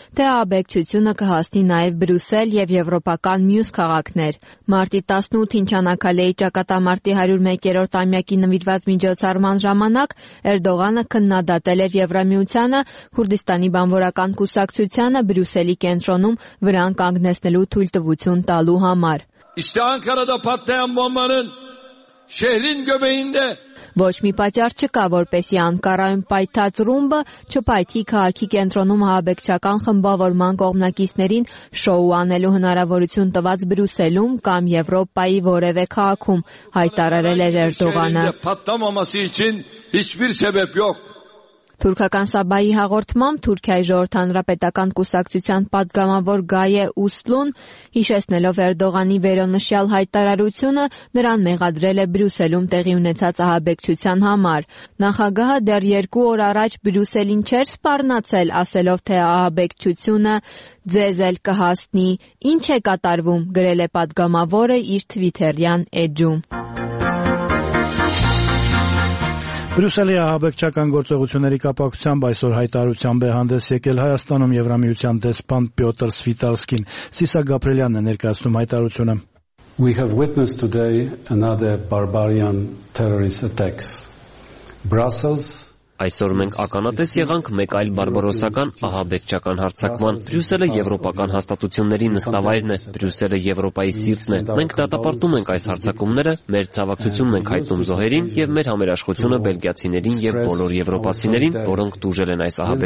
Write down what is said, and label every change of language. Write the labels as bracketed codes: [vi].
[hy] թե ահաբեկչությունը կհասնի նաև Բրյուսել և եվրոպական մյուս քաղաքներ։ Մարտի 18-ին ճանաչալեի ճակատամարտի 101-րդ ամյակի նվիրված միջոցառման ժամանակ Էրդողանը քննադատել էր Եվրամիությանը Քուրդիստանի բանվորական կուսակցությանը Բրյուսելի կենտրոնում վրան կանգնեցնելու թույլտվություն տալու համար։ [tr] İşte Ankara'da patlayan bombanın şehrin göbeğinde [hy] Ոչ մի պատճառ չկա, որպեսզի Անկարայում պայթած ռումբը չպայթի քաղաքի կենտրոնում ահաբեկչական խմբավորման կողմնակիցներին շոու անելու հնարավորություն տված Բրյուսելում կամ Եվրոպայի որևէ քաղաքում, հայտարարել է Էրդողանը։ Թուրքական Սաբայի հաղորդմամբ Թուրքիայի ժողովրդանրապետական կուսակցության պատգամավոր Գայե Ուստլուն, հիշեցնելով Էրդողանի վերոնշյալ հայտարարությունը, նրան մեղադրել է Բրյուսելում տեղի ունեցած ահաբեկչության համար։ Նախագահը դեռ 2 օր առաջ Բրյուսելին չէր սպառնացել, ասելով, թե ահաբեկչությունը ձեզ էլ կհասնի։ Ինչ է կատարվում, գրել է պատգամավորը իր Թվիտերյան էջում։ Բրյուսելի ահաբեկչական գործողությունների կապակցությամբ այսօր հայտարարությամբ է հանդես եկել Հայաստանում Եվրամիության դեսպան Պյոտր Սվիտալսկին։ Սիսա Գաբրելյանն է ներկայացնում հայտարարությունը։ [en] We have witnessed today another barbarian terrorist attack. Brussels [hy] Այսօր մենք ականատես եղանք մեկ այլ բարբարոսական ահաբեկչական հարձակման։ Բրյուսելը եվրոպական հաստատությունների նստավայրն է, Բրյուսելը Եվրոպայի սիրտն է։ Մենք դատապարտում ենք այս հարձակումները, մեր ցավակցությունն ենք հայտնում զոհերին եւ մեր համերաշխությունը բելգիացիներին եւ բոլոր եվրոպացիներին, որոնք տուժել են այս